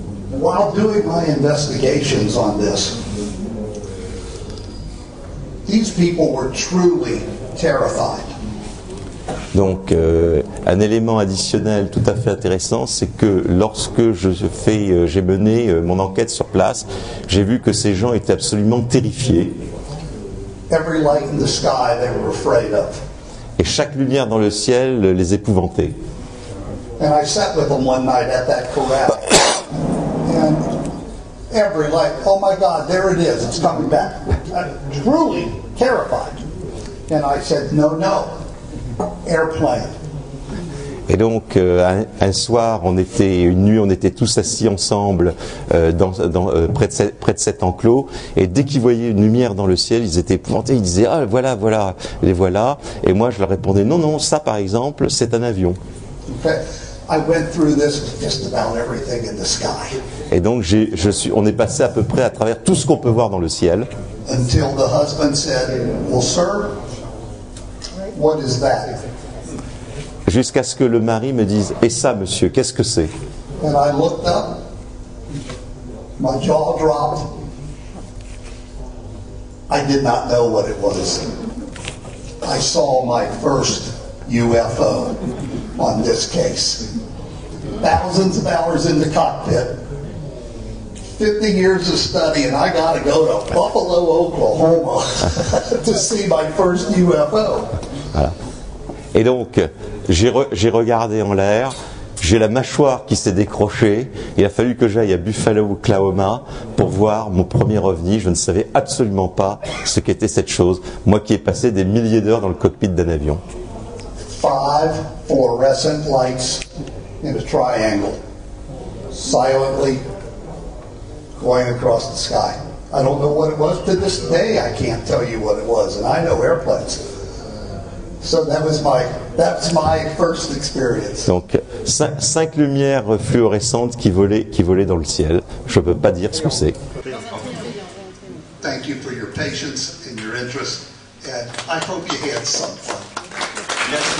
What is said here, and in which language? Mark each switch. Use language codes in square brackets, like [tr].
[en] While doing my investigations on this, these people were truly terrified. [fr] Donc, un élément additionnel tout à fait intéressant, c'est que lorsque j'ai mené mon enquête sur place, j'ai vu que ces gens étaient absolument terrifiés. [en] Every light in the sky they were afraid of. [fr] Et chaque lumière dans le ciel les épouvantait. [en] And I sat with them one night at that corral. And every light, oh my God, there it is, it's coming back. I'm truly terrified. And I said, no, no, airplane. [fr] Et donc, un soir, on était tous assis ensemble près de cet enclos. Et dès qu'ils voyaient une lumière dans le ciel, ils étaient épouvantés. Ils disaient, ah, voilà, voilà, les voilà. Et moi, je leur répondais, non, non, ça, par exemple, c'est un avion. [en] Okay. I went through this with just about everything in the sky. [fr] Et donc on est passé à peu près à travers tout ce qu'on peut voir dans le ciel. [en] Until the husband said, "Well, sir, what is that?" [fr] Jusqu'à ce que le mari me dise, "Et ça, monsieur, qu'est-ce que c'est?" [en] And I looked up, my jaw dropped. I did not know what it was. I saw my first UFO on this case. Thousands of hours in the cockpit, 50 years of study, and I got to go to Buffalo, Oklahoma to see my first UFO. [fr] Voilà. Et donc, j'ai regardé en l'air, j'ai la mâchoire qui s'est décrochée, il a fallu que j'aille à Buffalo, Oklahoma, pour voir mon premier ovni. Je ne savais absolument pas ce qu'était cette chose, moi qui ai passé des milliers d'heures dans le cockpit d'un avion. [en] 5 fluorescent lights in a triangle, silently going across the sky. I don't know what it was. To this day, I can't tell you what it was, and I know airplanes. So that's my first experience. [fr] Donc, 5 lumières fluorescentes qui volaient dans le ciel. Je ne peux pas dire ce que c'est. [en] Thank you for your patience and your interest, and I hope you had some fun.